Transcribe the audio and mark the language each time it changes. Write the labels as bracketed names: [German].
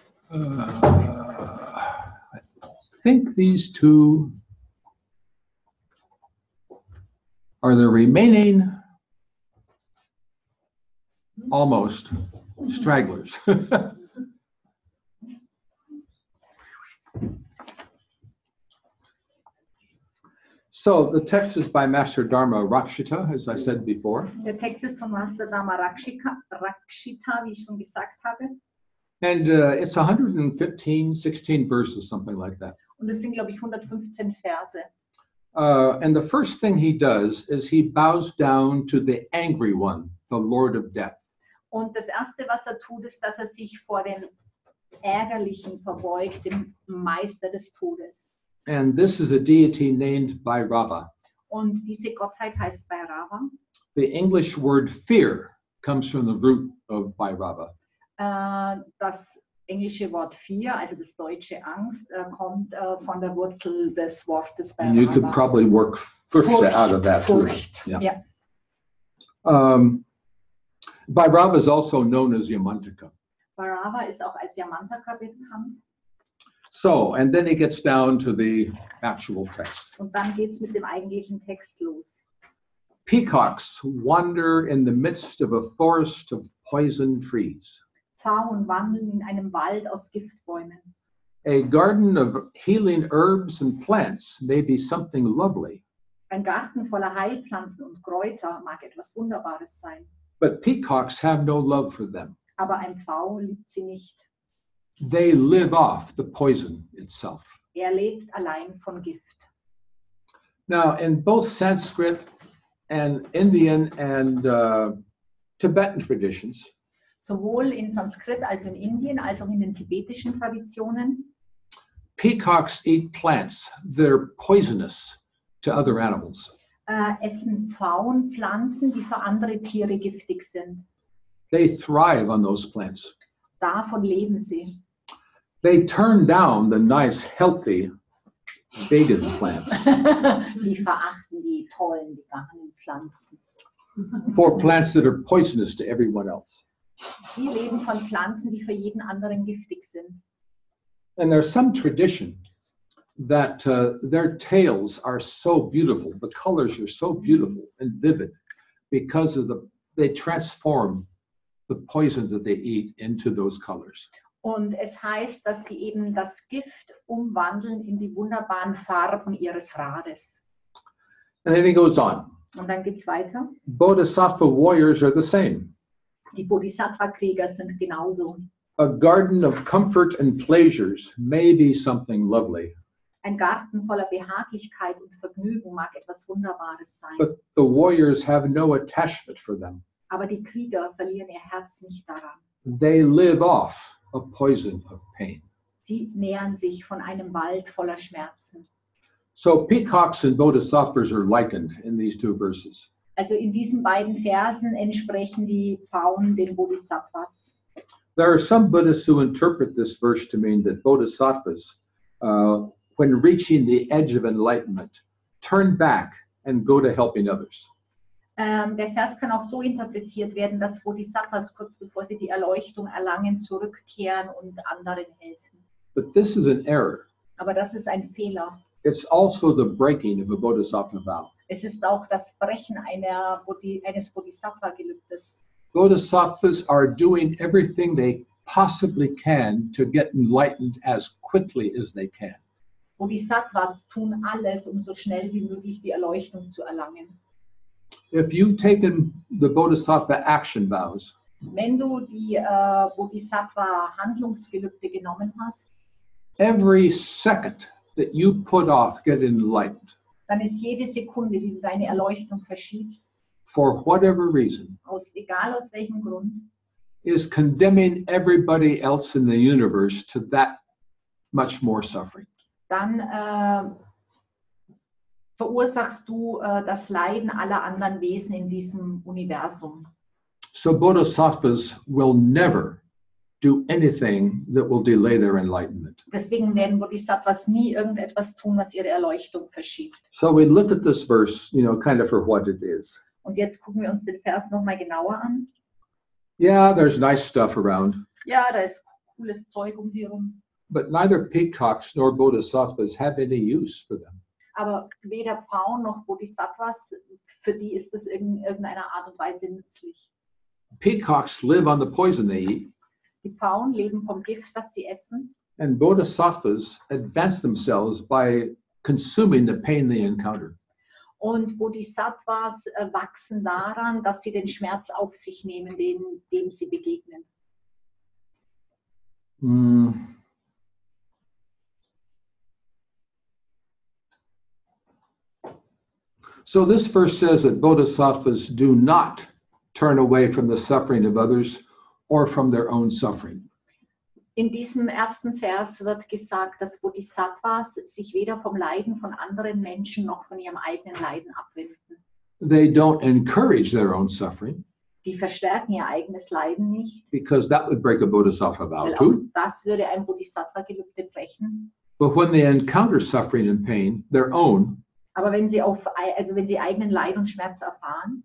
[English] I think these two are the remaining almost stragglers. So the text is by Master Dharma Rakshita, as I said before. The text is from Master Dharma Rakshita, [German] wie ich schon gesagt habe. [English] And it's 115-16 verses, something like that. [German] Und es sind, glaube ich, 115 Verse. [English] And the first thing he does is he bows down to the angry one, the Lord of Death. [German] Und das erste, was er tut, ist, dass er sich vor dem Ärgerlichen verbeugt, dem Meister des Todes. [English] And this is a deity named Bhairava. [German] Und diese Gottheit heißt Bhairava. [English] The English word fear comes from the root of Bhairava. [German] Das englische Wort fear, also das deutsche Angst, kommt von der Wurzel des Wortes Bhairava. [English] And you could probably work Furcht out of that. [German] Furcht. [English] Yeah. Bhairava is also known as Yamantaka. [German] Bhairava ist auch als Yamantaka bekannt. [English] So, and then it gets down to the actual text. [German] Und dann geht's mit dem eigentlichen Text los. [English] Peacocks wander in the midst of a forest of poison trees. [German] Pfauen wandeln in einem Wald aus Giftbäumen. [English] A garden of healing herbs and plants may be something lovely. [German] Ein Garten voller Heilpflanzen und Kräuter mag etwas Wunderbares sein. [English] But peacocks have no love for them. [German] Aber ein Pfau liebt sie nicht. [English] They live off the poison itself. [German] Er lebt allein von Gift. [English] Now, in both Sanskrit and Indian and Tibetan traditions, [German] sowohl in Sanskrit als auch in Indien als auch in den tibetischen Traditionen. [English] Peacocks eat plants that are poisonous to other animals. [German] Essen Pfauen Pflanzen, die für andere Tiere giftig sind. [English] They thrive on those plants. [German] Davon leben sie. [English] They turn down the nice, healthy vegan plants. [German] Die verachten die tollen, veganen Pflanzen. [English] For plants that are poisonous to everyone else. [German] Sie leben von Pflanzen, die für jeden anderen giftig sind. [English] And there's some tradition that their tails are so beautiful, the colors are so beautiful and vivid, because of they transform the poison that they eat into those colors. [German] Und es heißt, dass sie eben das Gift umwandeln in die wunderbaren Farben ihres Rades. [English] And then it goes on. [German] Und dann geht's weiter. [English] Bodhisattva warriors are the same. [German] Die Bodhisattva-Krieger sind genauso. [English] A garden of comfort and pleasures may be something lovely. [German] Ein Garten voller Behaglichkeit und Vergnügen mag etwas Wunderbares sein. [English] But the warriors have no attachment for them. [German] Aber die Krieger verlieren ihr Herz nicht daran. [English] They live off a poison of pain. [German] Sie nähern sich von einem Wald voller Schmerzen. [English] So peacocks and bodhisattvas are likened in these two verses. [German] Also in diesen beiden Versen entsprechen die Pfauen den Bodhisattvas. [English] There are some Buddhists who interpret this verse to mean that Bodhisattvas, when reaching the edge of enlightenment, turn back and go to helping others. [German] Der Vers kann auch so interpretiert werden, dass Bodhisattvas kurz bevor sie die Erleuchtung erlangen, zurückkehren und anderen helfen. [English] But this is an error. [German] Aber das ist ein Fehler. [English] It's also the breaking of a Bodhisattva vow. [German] Es ist auch das Brechen einer eines Bodhisattva-Gelübdes. [English] Bodhisattvas are doing everything they possibly can to get enlightened as quickly as they can. [German] Bodhisattvas tun alles, um so schnell wie möglich die Erleuchtung zu erlangen. [English] If you've taken the Bodhisattva action vows, [German] wenn du die Bodhisattva-Handlungsgelübde genommen hast, [English] every second that you put off getting enlightened, [German] dann ist jede Sekunde, die du deine Erleuchtung verschiebst, [English] for whatever reason, [German] egal aus welchem Grund, [English] is condemning everybody else in the universe to that much more suffering. [German] Dann verursachst du das Leiden aller anderen Wesen in diesem Universum. [English] So Bodhisattvas will never do anything that will delay their enlightenment. [German] Deswegen werden Bodhisattvas nie irgendetwas tun, was ihre Erleuchtung verschiebt. [English] So we look at this verse, you know, kind of for what it is. [German] Und jetzt gucken wir uns den Vers noch mal genauer an. [English] Yeah, there's nice stuff around. [German] Ja, da ist cooles Zeug um sie herum. [English] But neither peacocks nor Bodhisattvas have any use for them. [German] Aber weder Pfauen noch Bodhisattvas, für die ist das in irgendeiner Art und Weise nützlich. [English] Peacocks live on the poison they eat. [German] Die Pfauen leben vom Gift, das sie essen. [English] And Bodhisattvas advance themselves by consuming the pain they encounter. [German] Und Bodhisattvas wachsen daran, dass sie den Schmerz auf sich nehmen, dem sie begegnen. Mm. [English] So this verse says that Bodhisattvas do not turn away from the suffering of others or from their own suffering. [German] In diesem ersten Vers wird gesagt, dass Bodhisattvas sich weder vom Leiden von anderen Menschen noch von ihrem eigenen Leiden abwenden. [English] They don't encourage their own suffering. [German] Die verstärken ihr eigenes Leiden nicht. [English] Because that would break a Bodhisattva vow too. [German] Das würde ein Bodhisattva-Gelübde brechen. [English] But when they encounter suffering and pain, their own, [German] aber wenn sie wenn sie eigenen Leid und Schmerz erfahren,